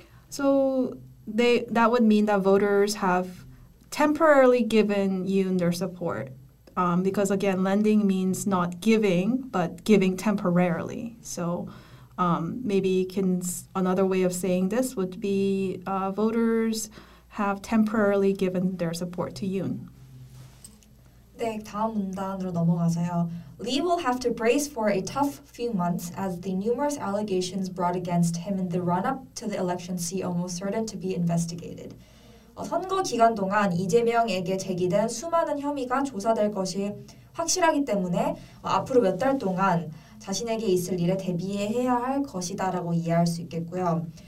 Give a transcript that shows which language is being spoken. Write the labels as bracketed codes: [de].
[en] So that would mean that voters have temporarily given you their support. Because again, lending means not giving, but giving temporarily. So maybe another way of saying this would be voters have temporarily given their support to Yoon. [ko] 네, 다음 문단으로 넘어가서요. [en] Lee will have to brace for a tough few months as the numerous allegations brought against him in the run-up to the election see almost certain to be investigated. [ko] 선거 기간 동안 이재명에게 제기된 수많은 혐의가 조사될 것이 확실하기 때문에 앞으로 몇 달 동안 자신에게 있을 일에 대비해야 할 것이다 라고 이해할 수 있겠고요.